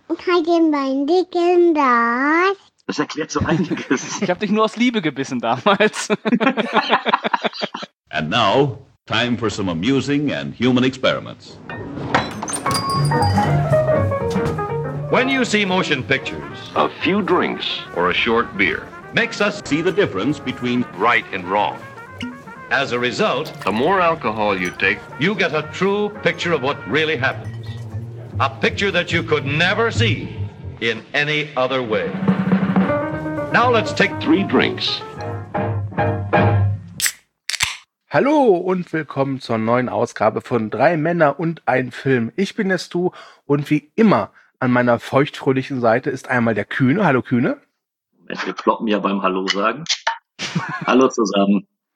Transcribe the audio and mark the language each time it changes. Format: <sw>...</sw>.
<de>und halte meinen dicken Dart. Das erklärt so einiges. Ich habe dich nur aus Liebe gebissen damals.</de> <en>And now, time for some amusing and human experiments. When you see motion pictures, a few drinks or a short beer makes us see the difference between right and wrong. As a result, the more alcohol you take, you get a true picture of what really happens. A picture that you could never see in any other way. Now let's take three drinks.</en> <de>Hallo und willkommen zur neuen Ausgabe von Drei Männer und ein Film. Ich bin der Stu und wie immer an meiner feuchtfröhlichen Seite ist einmal der Kühne. Hallo Kühne. Wir kloppen ja beim Hallo sagen. Hallo zusammen.</de>